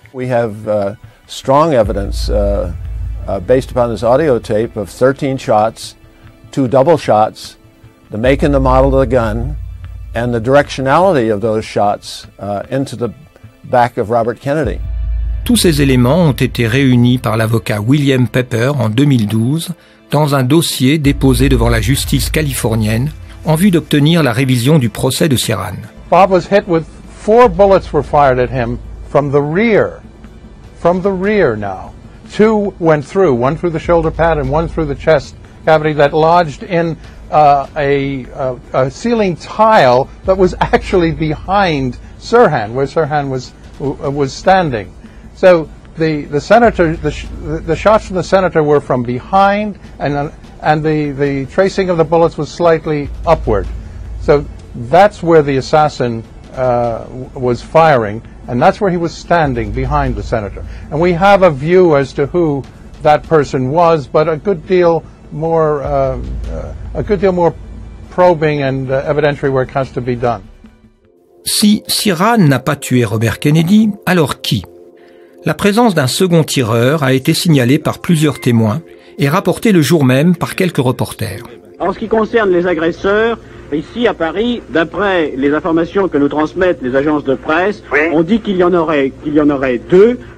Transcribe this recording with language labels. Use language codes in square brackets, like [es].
[en] We have strong evidence based upon this audio tape of 13 shots, 2 double shots, the make and the model of the gun, and the directionality of those shots into the back of Robert Kennedy. [fr] Tous ces éléments ont été réunis par l'avocat William Pepper en 2012 dans un dossier déposé devant la justice californienne en vue d'obtenir la révision du procès de Siran. [en] Bob was hit with 4 bullets were fired at him from the rear. From the rear now. 2 went through, 1 through the shoulder pad and 1 through the chest cavity that lodged in a ceiling tile that was actually behind Sirhan, where Sirhan was standing. So the shots from the senator were from behind, and the tracing of the bullets was slightly upward. So that's where the assassin was firing, and that's where he was standing behind the senator. And we have a view as to who that person was, but a good deal more probing and evidentiary work has to be done. [fr] Si Siran n'a pas tué Robert Kennedy, alors qui? La présence d'un second tireur a été signalée par plusieurs témoins et rapportée le jour même par quelques reporters. En ce qui concerne les agresseurs, ici à Paris, d'après les informations que nous transmettent les agences de presse, oui, on dit qu'il y en aurait 2.